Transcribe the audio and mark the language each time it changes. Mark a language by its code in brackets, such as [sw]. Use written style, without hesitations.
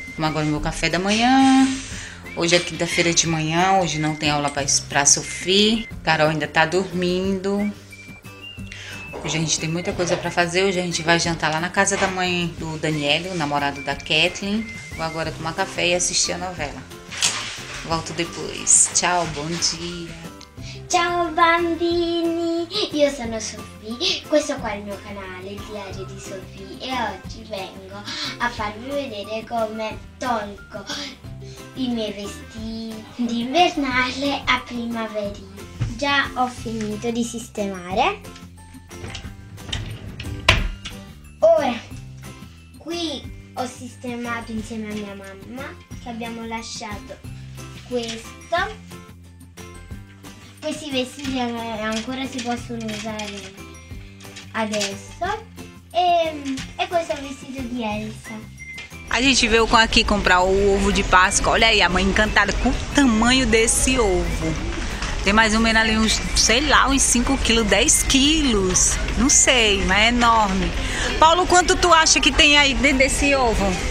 [pt] Vamos agora no meu café da manhã. Hoje é quinta-feira de manhã, hoje não tem aula pra Sophie. Carol ainda tá dormindo. Hoje a gente tem muita coisa pra fazer. Hoje a gente vai jantar lá na casa da mãe do Daniel, o namorado da Kathleen. Vou agora tomar café e assistir a novela. Volto depois. Tchau, bom dia. [it] Ciao bambini, io sono Sofì, questo qua è il mio canale, il diario di Sofì, e oggi vengo a farvi vedere come tolgo i miei vestiti d'invernale a primaverina. Già ho finito di sistemare. Ora, qui ho sistemato insieme a mia mamma, che abbiamo lasciato questo. Questi vestiti ancora si possono usare adesso. E questo è il vestito di Elsa. [pt] A gente veio com aqui comprar o ovo de Páscoa. Olha aí, a mãe encantada com o tamanho desse ovo. Tem mais ou menos ali uns, sei lá, uns 5 quilos, 10 quilos. Não sei, mas é enorme. Paulo, quanto tu acha que tem aí dentro desse ovo?